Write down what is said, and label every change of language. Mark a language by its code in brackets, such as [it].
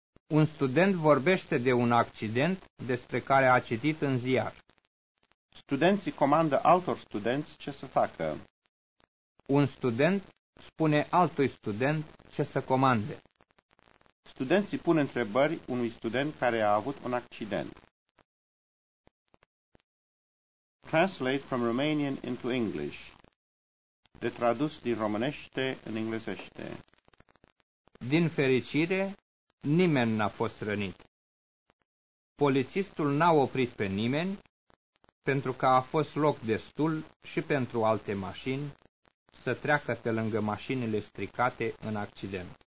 [ro] Un student vorbește de un accident despre care a citit în ziar. Studenții comandă altor studenți ce să facă. Un student spune altui student ce să comande. Studenții pun întrebări unui student care a avut un accident. [en] Translate from Romanian into English. [ro] De tradus din românește în englezește. Din fericire, nimeni n-a fost rănit. Polițistul n-a oprit pe nimeni, pentru că a fost loc destul și pentru alte mașini să treacă pe lângă mașinile stricate în accident.